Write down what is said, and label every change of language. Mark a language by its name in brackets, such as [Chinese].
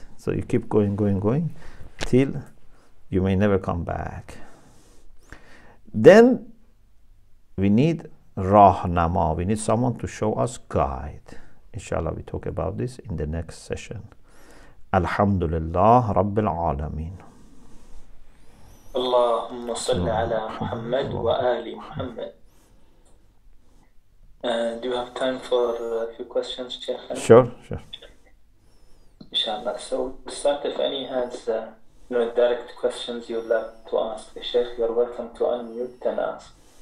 [English] So you keep going, going, going till you may never come back. Then we need rahnama. We need someone to show us guide. Inshallah, we talk about this in the next session. Alhamdulillah, Rabbil Alameen. [Arabic] اللهم صل على محمد وآل محمد. [English] Do you have time for a few questions, Sheikh? Sure. Inshallah. So start if any has no direct questions you'd like to ask the Sheikh, you're welcome to unmute and ask.